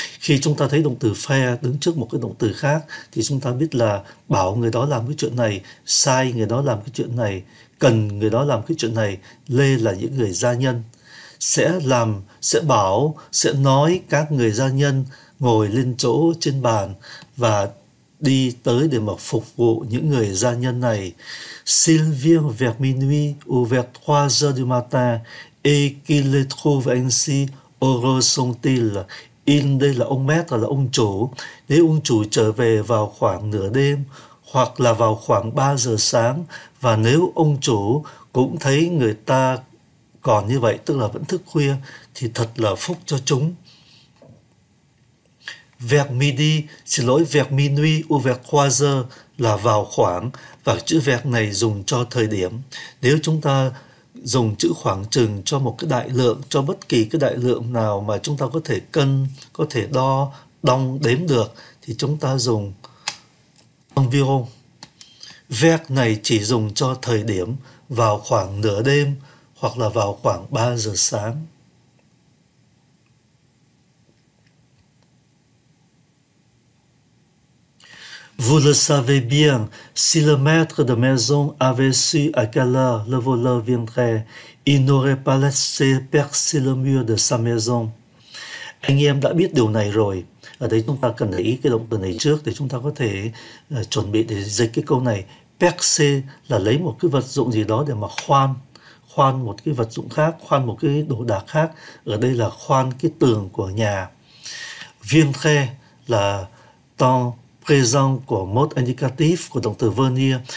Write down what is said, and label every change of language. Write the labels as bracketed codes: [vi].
[vi] Khi chúng ta thấy động từ faire đứng trước một cái động từ khác thì chúng ta biết là bảo người đó làm cái chuyện này, sai người đó làm cái chuyện này, cần người đó làm cái chuyện này. Lê là những người gia nhân, sẽ làm, sẽ bảo, sẽ nói các người gia nhân ngồi lên chỗ trên bàn và đi tới để mà phục vụ những người gia nhân này. [fr] Sylvie vers minuit ou vers 3 heures du matin et qu'il les trouve ainsi, heureux sont-ils. [vi] In đây là ông maître, là ông chủ. Nếu ông chủ trở về vào khoảng nửa đêm hoặc là vào khoảng 3 giờ sáng, và nếu ông chủ cũng thấy người ta còn như vậy, tức là vẫn thức khuya, thì thật là phúc cho chúng. Vers midi, xin lỗi, [fr] vers minuit ou vers 3 heures [vi] là vào khoảng, và chữ vers này dùng cho thời điểm. Nếu chúng ta dùng chữ khoảng chừng cho một cái đại lượng, cho bất kỳ cái đại lượng nào mà chúng ta có thể cân, có thể đo, đong, đếm được, thì chúng ta dùng environ. Vers này chỉ dùng cho thời điểm vào khoảng nửa đêm hoặc là vào khoảng 3 giờ sáng. [fr] Vous le savez bien, si le maître de maison avait su à quelle heure le voleur viendrait, il n'aurait pas laissé percer le mur de sa maison. [vi] Anh em đã biết điều này rồi. Ở đây chúng ta cần để ý cái động từ này trước để chúng ta có thể chuẩn bị để dịch cái câu này. Percer là lấy một cái vật dụng gì đó để mà khoan, khoan một cái vật dụng khác, khoan một cái đồ đạc khác. Ở đây là khoan cái tường của nhà. Viendrait là temps présent của mode indicatif của động từ venir.